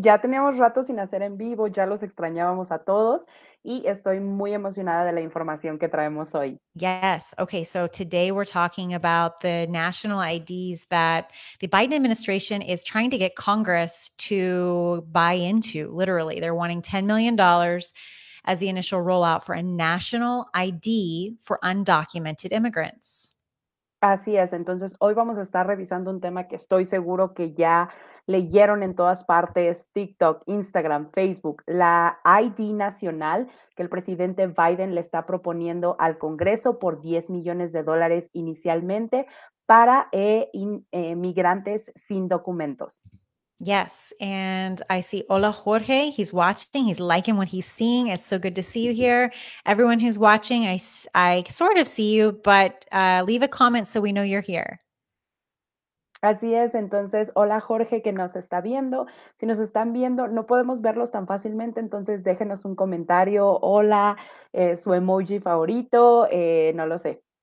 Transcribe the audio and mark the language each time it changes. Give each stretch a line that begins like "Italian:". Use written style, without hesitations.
Spanish: Ya teníamos rato sin hacer en vivo, ya los extrañábamos a todos y estoy muy emocionada de la información que traemos hoy.
English: Yes. Okay, so today we're talking about the national IDs that the Biden administration is trying to get Congress to buy into, literally. They're wanting $10 million as the initial rollout for a national ID for undocumented immigrants.
Spanish: Así es. Entonces, hoy vamos a estar revisando un tema que estoy seguro que ya leyeron en todas partes, TikTok, Instagram, Facebook, la ID nacional que el presidente Biden le está proponiendo al Congreso por 10 millones de dólares inicialmente para migrantes sin documentos.
English: Yes, and I see, hola Jorge, he's watching, he's liking what he's seeing. It's so good to see you here. Everyone who's watching, I sort of see you, but leave a comment so we know you're here.
Spanish: Así es, entonces, hola Jorge que nos está viendo. Si nos están viendo, no podemos verlos tan fácilmente, entonces déjenos un comentario, hola, su emoji favorito, no lo sé.